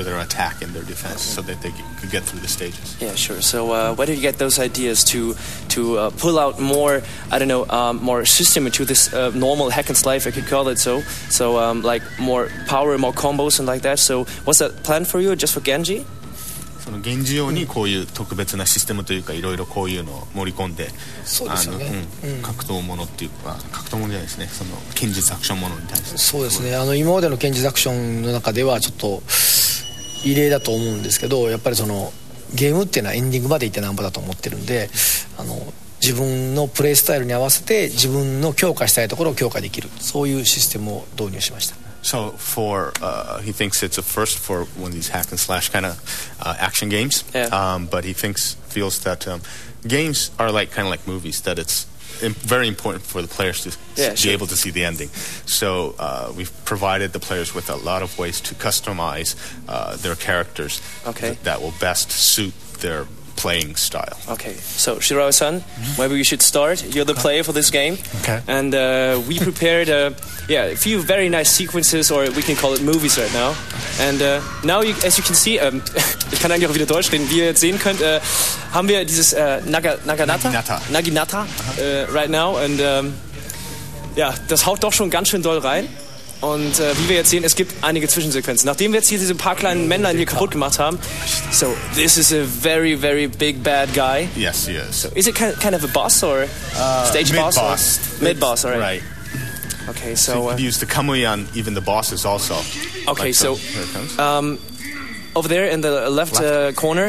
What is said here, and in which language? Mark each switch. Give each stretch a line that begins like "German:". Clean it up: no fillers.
English: or their attack and their defense, okay. so that they could get through the stages. Yeah, sure. So, where did you get those ideas to pull out more? I don't know, more system into this normal hack and slice, I could call it. So, like more power, more combos and like that. So, what's that plan for you? Just for Genji?
Japanese: その現地用にこういう特別なシステムというかいろいろこういうのを盛り込んで、そうですよね。格闘ものっていうか格闘ものじゃないですね。その剣術アクションものに対して。そうですね。今までの剣術アクションの中ではちょっと異例だと思うんですけど、やっぱりそのゲームっていうのはエンディングまで行ってなんぼだと思ってるんで、自分のプレイスタイルに合わせて自分の強化したいところを強化できる、そういうシステムを導入しました。
English: So for he thinks it's a first for one of these hack and slash kind of action games. Yeah. But he feels that games are like kind of like movies, that it's very important for the players to be able to see the ending. So we've provided the players with a lot of ways to customize their characters that will best suit their playing style. Okay, so Shirao-san, maybe we should start. You're the player for this game. Okay. And we prepared a few very nice sequences, or we can call it movies right now. And now, you, as you can see,
German: ich kann eigentlich auch wieder Deutsch reden, wie ihr jetzt sehen könnt, haben wir dieses Naginata
English: right now.
German: And das haut doch schon ganz schön doll rein. Und wie wir jetzt sehen, es gibt einige Zwischensequenzen. Nachdem wir jetzt hier diese paar kleinen Männer hier kaputt gemacht haben.
English: So, this is a very, very big bad guy. Yes, he is. So, is it kind of a boss or stage mid-boss. Boss? Mid-boss, all right. Right. Okay, so... So you could use the kamui on even the bosses also. Okay, like so... Here it comes. Over there in the left corner.